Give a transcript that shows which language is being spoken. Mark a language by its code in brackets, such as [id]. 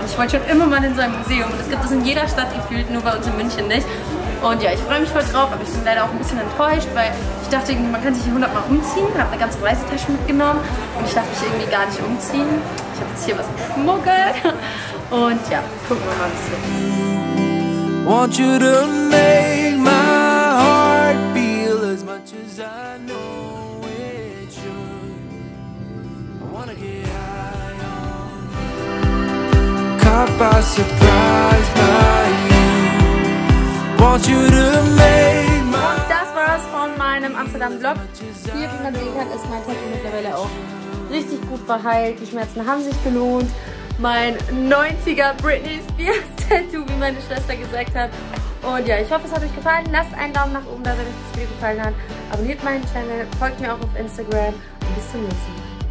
[de] Ich wollte schon immer mal in so ein Museum. Das gibt es in jeder Stadt gefühlt, nur bei uns in München nicht. Und ja, ich freue mich voll drauf, aber ich bin leider auch ein bisschen enttäuscht, weil ich dachte, man kann sich hier 100 Mal umziehen. Ich habe eine ganze Reisetasche mitgenommen und ich darf mich irgendwie gar nicht umziehen. Ich habe jetzt hier was geschmuggelt. Und ja, gucken wir mal, was hier. [en] Want you to make my heart feel as much as I know it should. I wanna get high on you. Caught by surprise by you. Want you to make my heart. [de] Und das war's von meinem Amsterdam-Vlog. Hier, wie man sehen kann, ist mein Tattoo mittlerweile auch richtig gut verheilt. Die Schmerzen haben sich gelohnt. Mein 90er Britney Spears Tattoo, wie meine Schwester gesagt hat. Und ja, ich hoffe, es hat euch gefallen. Lasst einen Daumen nach oben da, wenn euch das Video gefallen hat. Abonniert meinen Channel, folgt mir auch auf Instagram. Und bis zum nächsten Mal.